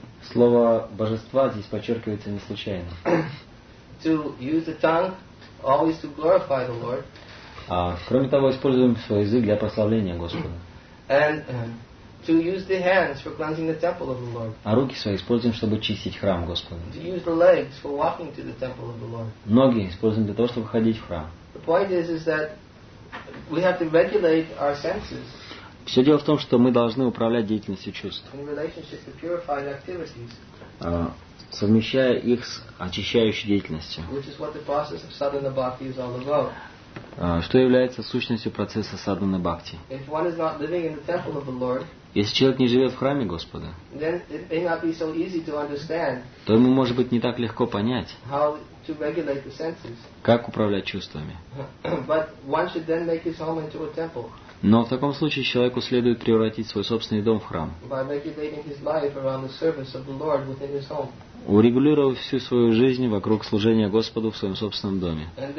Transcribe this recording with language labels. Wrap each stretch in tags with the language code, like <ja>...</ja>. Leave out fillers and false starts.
<ru>Слово «божества» здесь подчеркивается не случайно.</ru> <en>To use the tongue, always to glorify the Lord.</en> <ru>Кроме того, используем свой язык для прославления Господа.</ru> <en>And to use the hands for cleansing the temple of the Lord.</en> <ru>А руки свои используем, чтобы чистить храм Господа.</ru> <en>To use the legs for walking to the temple of the Lord.</en> <ru>Ноги используем для того, чтобы ходить в храм.</ru> <en>The point is that we have to regulate our senses.</en> <ru>Все дело в том, что мы должны управлять деятельностью чувств.</ru> <en>In relationship to purified activities.</en> <ru>Совмещая их с очищающей деятельностью.</ru> <en>Which is what the process of sadhana bhakti is all about.</en> <ru>Что является сущностью процесса садханы бхакти?</ru> <en>If one is not living in the temple of the Lord,</en> <ru>если человек не живет в храме Господа,</ru> <en>then it may not be so easy to understand,</en> <ru>то ему может быть не так легко понять,</ru> <en>how to regulate the senses.</en> <ru>Как управлять чувствами.</ru> <en>But one should then make his home into a temple.</en> <ru>Но в таком случае человеку следует превратить свой собственный дом в храм.</ru> <en>By regulating his life around the service of the Lord within his home.</en> <ru>Урегулировав всю свою жизнь вокруг служения Господу в своем собственном доме.</ru>